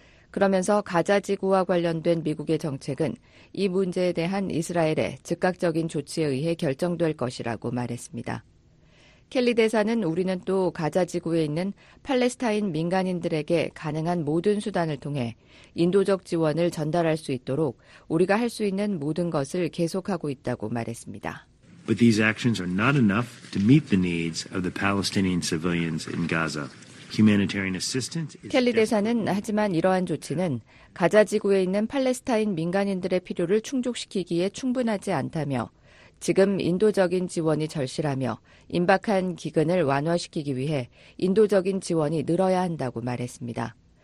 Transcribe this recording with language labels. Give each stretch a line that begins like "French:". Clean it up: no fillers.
Korean: 그러면서 가자 지구와 관련된 미국의 정책은 이 문제에 대한 이스라엘의 즉각적인 조치에 의해 결정될 것이라고 말했습니다. 켈리 대사는 우리는 또 가자 지구에 있는 팔레스타인 민간인들에게 가능한 모든 수단을 통해 인도적 지원을 전달할 수 있도록 우리가 할 수 있는 모든 것을 계속하고 있다고 말했습니다.
English: But these actions are not enough to meet the needs of the Palestinian civilians in Gaza. Humanitarian assistance is
Korean: 켈리 대사는 하지만 이러한 조치는 가자 지구에 있는 팔레스타인 민간인들의 필요를 충족시키기에 충분하지 않다며 지금 인도적인 지원이 절실하며 임박한 기근을 완화시키기 위해 인도적인 지원이 늘어야 한다고 말했습니다.